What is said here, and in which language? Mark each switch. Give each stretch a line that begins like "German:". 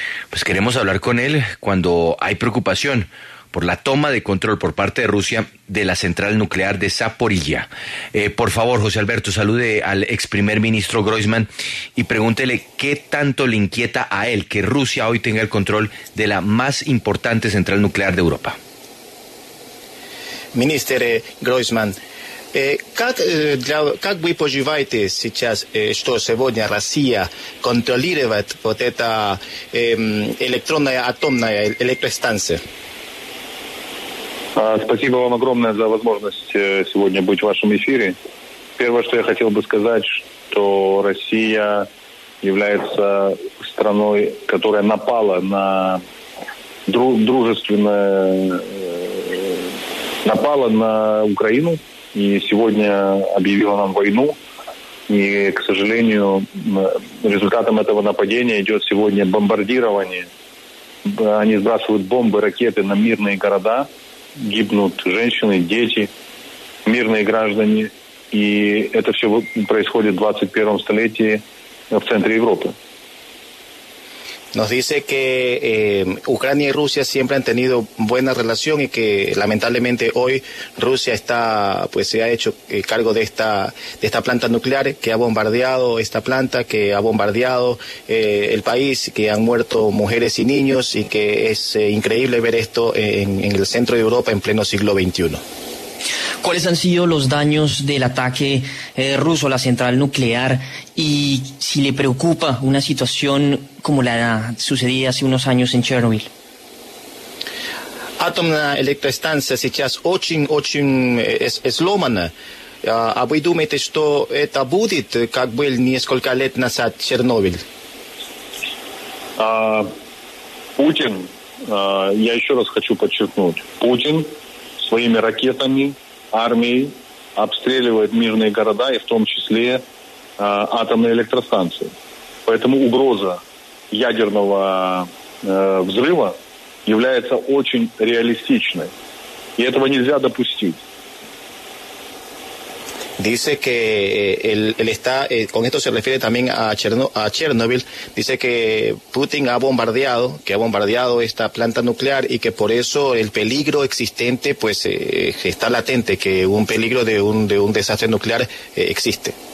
Spanish: Pues queremos hablar con él cuando hay preocupación por la toma de control por parte de Rusia de la central nuclear de Zaporilla. Por favor, José Alberto, salude al ex primer ministro Groysman y pregúntele qué tanto le inquieta a él que Rusia hoy tenga el control de la más importante central nuclear de Europa.
Russian: Minister Groysman, как вы поживаете сейчас, что сегодня Россия контролирует вот эта электронная атомная электростанция? Спасибо вам огромное за возможность сегодня быть в вашем эфире. Первое, что я хотел бы сказать, что Россия является страной, которая напала на напала на Украину и сегодня объявила нам войну. И, к сожалению, результатом этого нападения идет сегодня бомбардирование. Они сбрасывают бомбы, ракеты на мирные города. Гибнут женщины, дети, мирные граждане. И это все происходит в 21-м столетии в центре Европы.
Spanish: Nos dice que Ucrania y Rusia siempre han tenido buena relación y que lamentablemente hoy Rusia está, pues se ha hecho cargo de esta planta nuclear, que ha bombardeado esta planta, que ha bombardeado el país, que han muerto mujeres y niños y que es increíble ver esto en el centro de Europa en pleno siglo XXI. ¿Cuáles han sido los daños del ataque ruso a la central nuclear y si le preocupa una situación como la sucedida hace unos años en Chernobyl?
Russian: Атомная электростанция сейчас очень сломана. А вы думаете, что это будет, как был несколько лет назад Чернобыль? Путин, я еще раз хочу подчеркнуть, Путин своими ракетами, армией обстреливает мирные города и в том числе атомные электростанции. Поэтому угроза ядерного взрыва является очень реалистичной. И этого нельзя допустить.
Spanish: Dice que él está, con esto se refiere también a Chernobyl, dice que Putin ha bombardeado esta planta nuclear y que por eso el peligro existente pues está latente, que un peligro de un desastre nuclear existe.